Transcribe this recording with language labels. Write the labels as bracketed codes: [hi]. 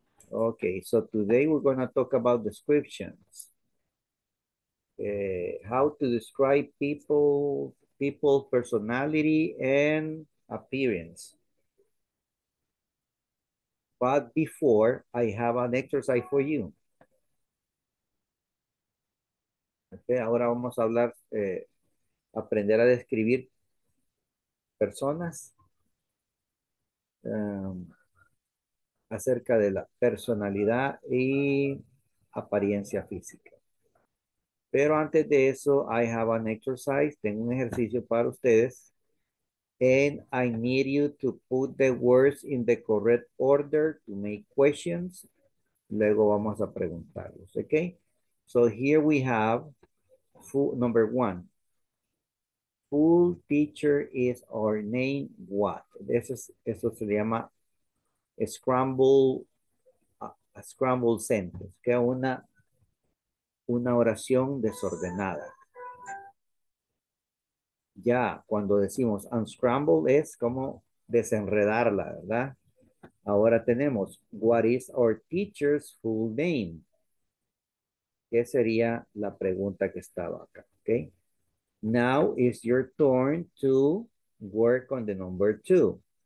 [en] Okay, so today we're going to talk about descriptions. How to describe people's personality and appearance. But before, I have an exercise for you. [es] Okay, ahora vamos a hablar, aprender a describir personas acerca de la personalidad y apariencia física. Pero antes de eso, [en] I have an exercise. [es] Tengo un ejercicio para ustedes. [en] And I need you to put the words in the correct order to make questions. [es] Luego vamos a preguntarlos, [en] okay? So here we have full, number one. Full teacher is our name, what? [es] Eso se llama scramble sentence, que es una oración desordenada. Ya, cuando decimos unscramble es como desenredarla, ¿verdad? Ahora tenemos, [en] what is our teacher's full name? [es] ¿Qué sería la pregunta que estaba acá? [en] Okay. Now is your turn to work on the number two.